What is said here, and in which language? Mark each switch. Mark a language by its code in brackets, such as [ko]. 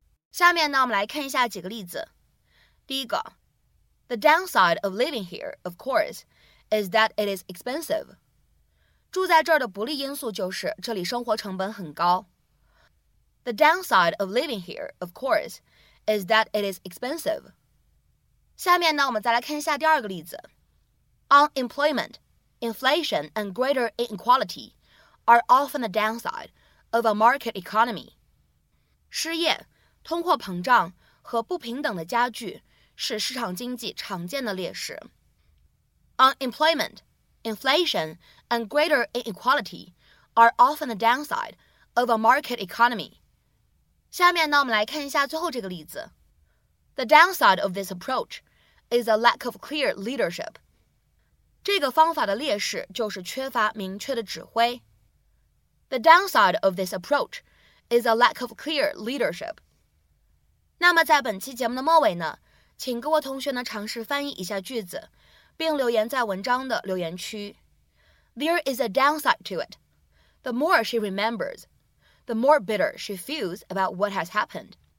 [zh] 下面呢，我们来看一下几个例子。第一个， [en] the downside of living here, of course, is that it is expensive. [zh] 住在这儿的不利因素就是这里生活成本很高。 [en] The downside of living here, of course, is that it is expensive. [zh] 下面呢，我们再来看一下第二个例子。 [en] Unemployment, inflation, and greater inequality are often the downside of a market economy. [zh] 失业、通货膨胀和不平等的加剧是市场经济常见的劣势。 [en] Unemployment,Inflation and greater inequality are often the downside of a market economy. [zh] 下面呢，我们来看一下最后这个例子。 [en] The downside of this approach is a lack of clear leadership. [zh] 这个方法的劣势就是缺乏明确的指挥。 [en] The downside of this approach is a lack of clear leadership. [zh] 那么在本期节目的末尾呢，请各位同学呢尝试翻译一下句子。并留言在文章的留言区。 [en] There is a downside to it. The more she remembers, the more bitter she feels about what has happened.